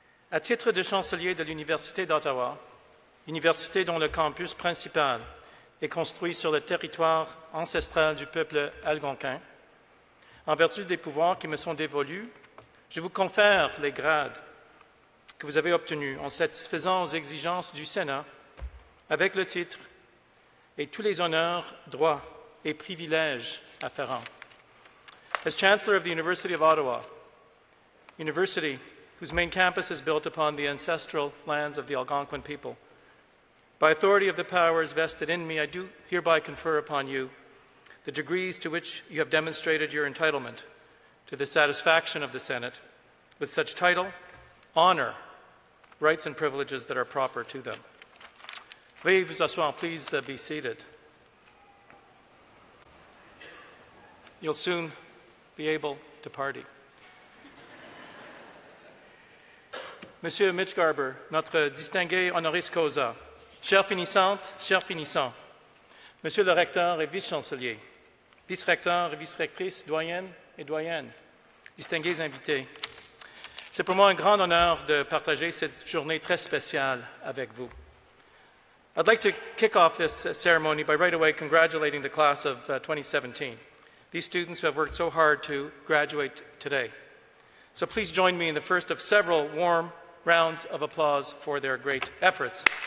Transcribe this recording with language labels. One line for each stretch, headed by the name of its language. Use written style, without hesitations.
French: À titre de chancelier de l'Université d'Ottawa, université dont le campus principal est construit sur le territoire ancestral du peuple algonquin, en vertu des pouvoirs qui me sont dévolus, je vous confère les grades que vous avez obtenus en satisfaisant aux exigences du Sénat avec le titre et tous les honneurs, droits et privilèges afférents.
English: As Chancellor of the University of Ottawa, University whose main campus is built upon the ancestral lands of the Algonquin people. By authority of the powers vested in me, I do hereby confer upon you the degrees to which you have demonstrated your entitlement to the satisfaction of the Senate with such title, honor, rights and privileges that are proper to them.
French: Veuillez vous asseoir,
English: please be seated. You'll soon be able to party.
French: Monsieur Mitch Garber, notre distingué honoris causa, chère finissante, chère finissant, Monsieur le recteur et vice-chancelier, vice-recteur et vice-rectrice, doyenne et doyenne, distingués invités, c'est pour moi un grand honneur de partager cette journée très spéciale avec vous.
English: I'd like to kick off this ceremony by right away congratulating the class of 2017, these students who have worked so hard to graduate today. So please join me in the first of several warm rounds of applause for their great efforts.